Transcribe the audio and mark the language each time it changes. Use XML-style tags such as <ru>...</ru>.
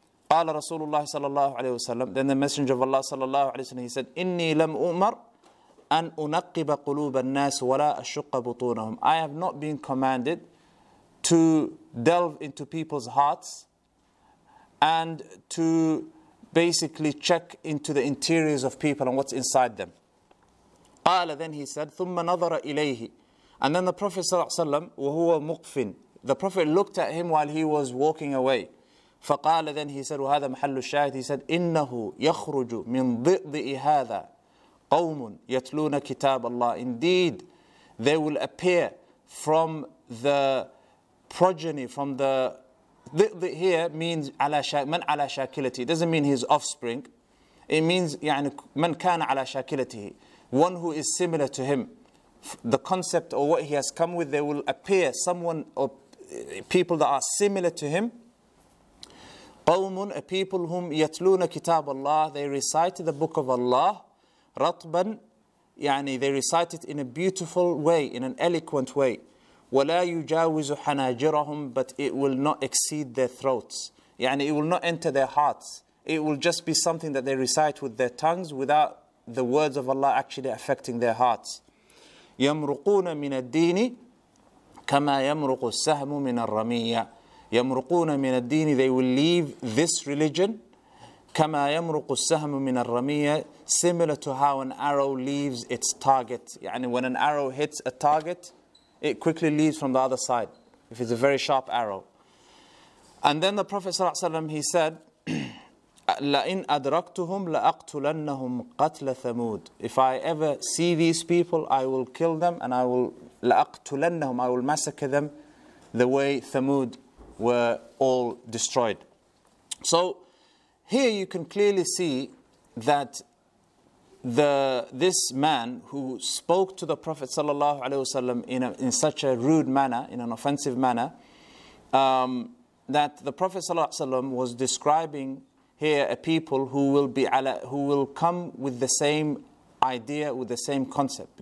<ar>قال رسول الله صلى الله عليه وسلم,</ar> <en>then the messenger of Allah</en> <ar>صلى الله عليه وسلم,</ar> <en>he said,</en> <ar>إني لم أمر أن أنقب قلوب الناس ولا أشق بطونهم.</ar> <en>I have not been commanded to delve into people's hearts and to basically check into the interiors of people and what's inside them.</en> <ar>قال,</ar> <en>then he said,</en> <ar>ثم نظر إليه.</ar> <en>And then the Prophet صلى الله عليه وسلم</en> <ar>وهو مقفن,</ar> <en>the Prophet looked at him while he was walking away.</en> <ar>فقال,</ar> <en>then he said,</en> <ar>وهذا محل الشاهد, he said, إنه يخرج من ضئضئ هذا قوم يتلون كتاب الله.</ar> <en>Indeed, they will appear from the progeny, from the ضئضئ here means</en> <ar>من على شاكلته.</ar> <en>It doesn't mean his offspring. It means</en> <ar>يعني من كان على شاكلته.</ar> <en>One who is similar to him. The concept or what he has come with, there will appear someone or people that are similar to him.</en> <ar>قوم,</ar> <en>a people whom</en> <ar>يتلون كتاب الله.</ar> <en>They recite the book of Allah. رطبا, يعني they recite it in a beautiful way, in an eloquent way.</en> <ar>ولا يجاوز حناجرهم,</ar> <en>but it will not exceed their throats. يعني it will not enter their hearts. It will just be something that they recite with their tongues without the words of Allah actually affecting their hearts.</en> <ar>يمرقون من الدين كما يمرق السهم من الرمية. يمرقون من الدين,</ar> <en>they will leave this religion.</en> <ar>كما يمرق السهم من الرمية,</ar> <en>similar to how an arrow leaves its target. يعني when an arrow hits a target, it quickly leaves from the other side, if it's a very sharp arrow. And then the Prophet صلى الله عليه وسلم, he said,</en> <ar>لَئِنْ أَدْرَكْتُهُمْ لَأَقْتُلَنَّهُمْ قَتْلَ ثَمُودِ.</ar> <en>If I ever see these people, I will kill them, and I will لَأَقْتُلَنَّهُمْ, I will massacre them the way Thamud were all destroyed. So here you can clearly see that this man who spoke to the Prophet sallallahu alaihi wasallam in such a rude manner, in an offensive manner, that the Prophet sallallahu alaihi wasallam was describing here a people who will come with the same idea, with the same concept.</en>